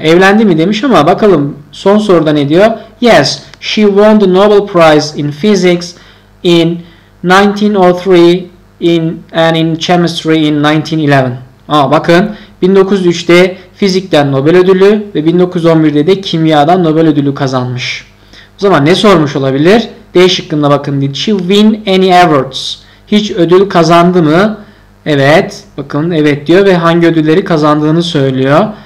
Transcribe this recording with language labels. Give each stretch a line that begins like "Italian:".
Turkish: Evlendi mi demiş ama bakalım son soruda ne diyor?
English: Yes, she won the Nobel Prize in Physics in 1903 and in Chemistry in 1911.
Turkish: Aa, bakın 1903'te fizikten Nobel ödülü ve 1911'de de kimyadan Nobel ödülü kazanmış. O zaman ne sormuş olabilir? D şıkkında bakın.
English: Did she win any awards?
Turkish: Hiç ödül kazandı mı? Evet. Bakın evet diyor ve hangi ödülleri kazandığını söylüyor.